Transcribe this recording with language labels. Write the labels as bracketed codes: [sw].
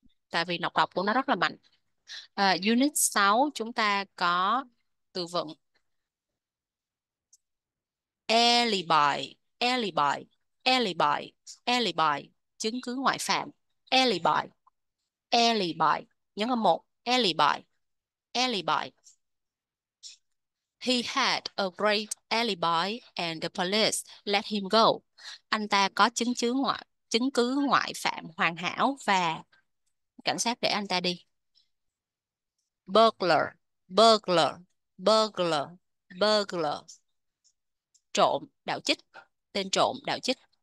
[vi] Tại vì nọc độc của nó rất là mạnh. Unit 6 chúng ta có từ vựng. [en] Alibi, alibi, alibi, alibi, [vi] chứng cứ ngoại phạm. [en] Alibi, alibi, [vi] nhấn âm một, [en] alibi, alibi. He had a great alibi and the police let him go. [vi] Anh ta có chứng cứ ngoại phạm hoàn hảo và cảnh sát để anh ta đi. [en] Burglar, burglar, burglar, burglar. [vi] Trộm, đạo chích. Tên trộm, đạo chích.